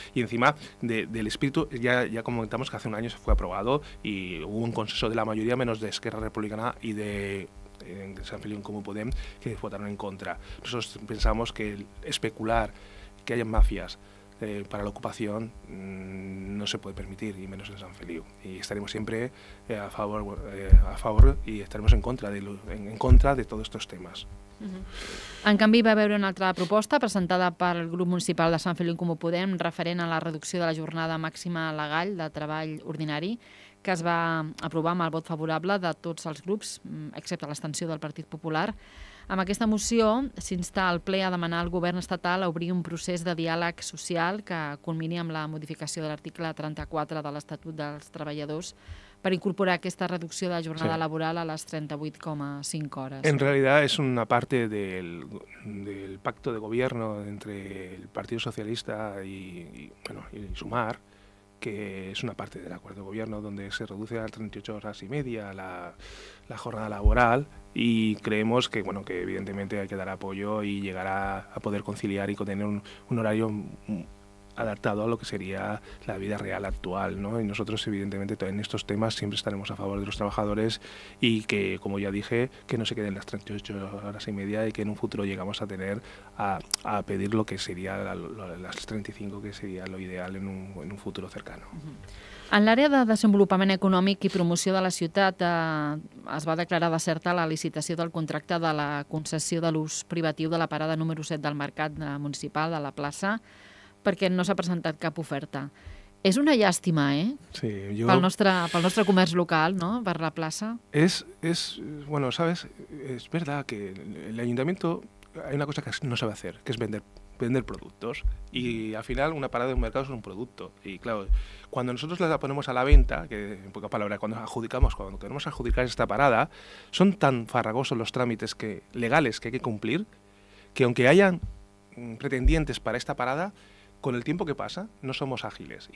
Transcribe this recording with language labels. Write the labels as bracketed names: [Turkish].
[Spanish] Y encima del espíritu, ya comentamos que hace un año se fue aprobado y hubo un consenso de la mayoría, menos de Esquerra Republicana y de San Feliu en Comú Podem, que votaron en contra. Nosotros pensamos que especular que haya mafias para la ocupación no se puede permitir, y menos en San Feliu. Y estaremos siempre a favor y estaremos en contra de todos estos temas. [Catalan] En canvi, va haver una altra proposta presentada pel grup municipal de Sant Feliu en Comú Podem referent a la reducció de la jornada màxima legal de treball ordinari que es va aprovar amb el vot favorable de tots els grups, excepte l'abstenció del Partit Popular. Amb aquesta moció s'insta el ple a demanar al govern estatal a obrir un procés de diàleg social que culmini amb la modificació de l'article 34 de l'Estatut dels Treballadors per incorporar aquesta reducció de la jornada laboral a les 38,5 hores. En realitat és una part del pacte de govern entre el Partit Socialista i Sumar, [Spanish] que es una parte del acuerdo de gobierno donde se reduce a 38 horas y media la jornada laboral, y creemos que, bueno, que evidentemente hay que dar apoyo y llegar a poder conciliar y tener un horario adaptado a lo que sería la vida real actual, ¿no? Y nosotros, evidentemente, en estos temas siempre estaremos a favor de los trabajadores y que, como ya dije, que no se queden las 38 horas y media y que en un futuro llegamos a tener a pedir lo que sería las 35, que sería lo ideal en un futuro cercano. [Catalan] En l'àrea de desenvolupament econòmic i promoció de la ciutat es va declarar deserta la licitació del contracte de la concessió de l'ús privatiu de la parada número 7 del mercat municipal de la plaça, perquè no s'ha presentat cap oferta. És una llàstima, Sí, pel nostre comerç local, no? Per la plaça. [Spanish] És, bueno, sabes, és verdad que el ayuntamiento hay una cosa que no sabe hacer, que es vender productos, y al final una parada de un mercado es un producto, y claro, cuando nosotros la ponemos a la venta, que en poca palabra, cuando queremos adjudicar esta parada, son tan farragosos los trámites legales que hay que cumplir, que aunque hayan pretendientes para esta parada, con el tiempo que pasa, no somos ágiles.